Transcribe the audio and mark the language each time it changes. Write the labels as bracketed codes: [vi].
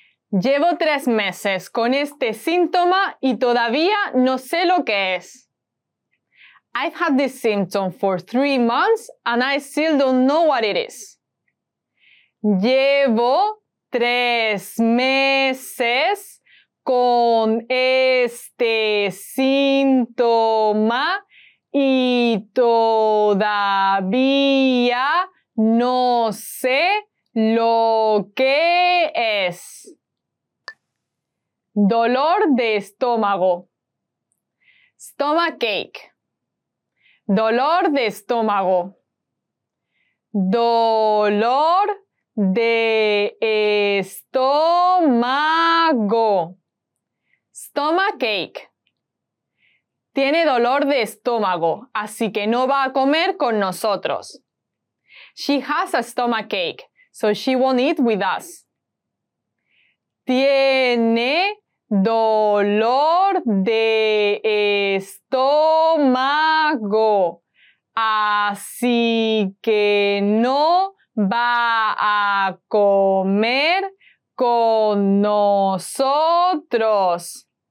[es] Llevo 3 meses con este síntoma y todavía no sé lo que es. [en] I've had this symptom for 3 months and I still don't know what it is. [es] Llevo 3 meses con este síntoma y todavía no sé lo que es. Dolor de estómago. [en] Stomachache. [es] Dolor de estómago. Dolor de estómago. [en] Stomachache. [es] Tiene dolor de estómago, así que no va a comer con nosotros. [en] She has a stomachache, so she won't eat with us. [es] Tiene dolor de estómago, así que no va a comer con nosotros.